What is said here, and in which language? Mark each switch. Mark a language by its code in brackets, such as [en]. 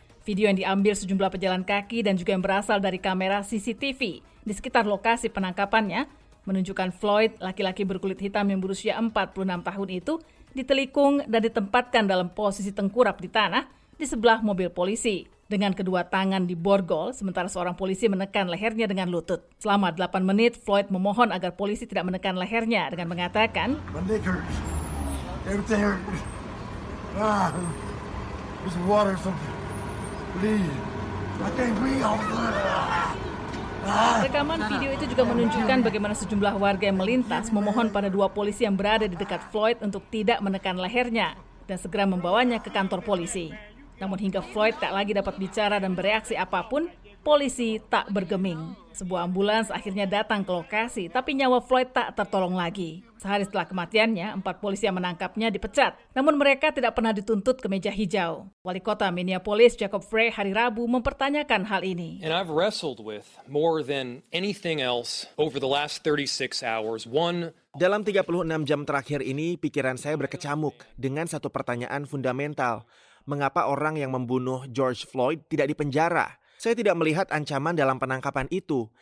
[id] Video yang diambil sejumlah pejalan kaki dan juga yang berasal dari kamera CCTV di sekitar lokasi penangkapannya menunjukkan Floyd, laki-laki berkulit hitam yang berusia 46 tahun itu, ditelikung dan ditempatkan dalam posisi tengkurap di tanah di sebelah mobil polisi. Dengan kedua tangan diborgol, sementara seorang polisi menekan lehernya dengan lutut. Selama 8 menit, Floyd memohon agar polisi tidak menekan lehernya dengan mengatakan, [en] "My leg hurts. Everything hurts. There's water or something. Please. I can't breathe all the time." [id] Rekaman video itu juga menunjukkan bagaimana sejumlah warga yang melintas memohon pada dua polisi yang berada di dekat Floyd untuk tidak menekan lehernya dan segera membawanya ke kantor polisi. Namun hingga Floyd tak lagi dapat bicara dan bereaksi apapun, polisi tak bergeming. Sebuah ambulans akhirnya datang ke lokasi, tapi nyawa Floyd tak tertolong lagi. Sehari setelah kematiannya, 4 polisi yang menangkapnya dipecat. Namun mereka tidak pernah dituntut ke meja hijau. Wali kota Minneapolis, Jacob Frey, hari Rabu mempertanyakan hal ini. [en] And I've wrestled with more than anything else over the last 36 hours. [id] Dalam 36 jam terakhir ini, pikiran saya berkecamuk dengan satu pertanyaan fundamental. Mengapa orang yang membunuh George Floyd tidak dipenjara? Saya tidak melihat ancaman dalam penangkapan itu.